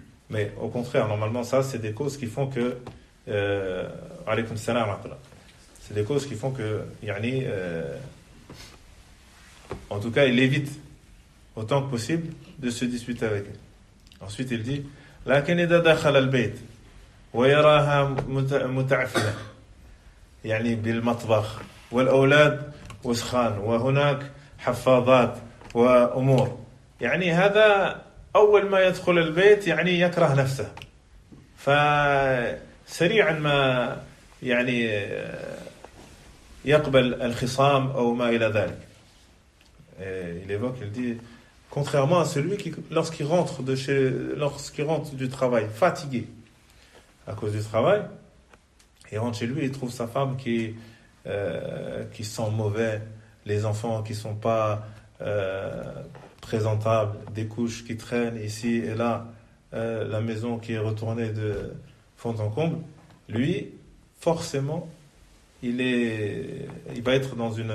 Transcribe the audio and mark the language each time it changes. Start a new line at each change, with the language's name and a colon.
French: Mais au contraire, normalement, ça, c'est des causes qui font que... alaykoum salam, c'est des causes qui font que... Yani, en tout cas, il évite autant que possible de se disputer avec elle. Ensuite, il dit
Arabic: لكن إذا دخل البيت ويراها متعفنة يعني بالمطبخ والأولاد وسخان وهناك حفاضات وأمور يعني هذا أول ما يدخل البيت يعني يكره نفسه فسريعا ما يعني يقبل الخصام أو ما إلى ذلك.
French: Et il évoque, il dit, contrairement à celui qui, lorsqu'il rentre du travail, fatigué à cause du travail, il rentre chez lui, il trouve sa femme qui sent mauvais, les enfants qui ne sont pas présentables, des couches qui traînent ici et là, la maison qui est retournée de fond en comble, lui, forcément, il va être dans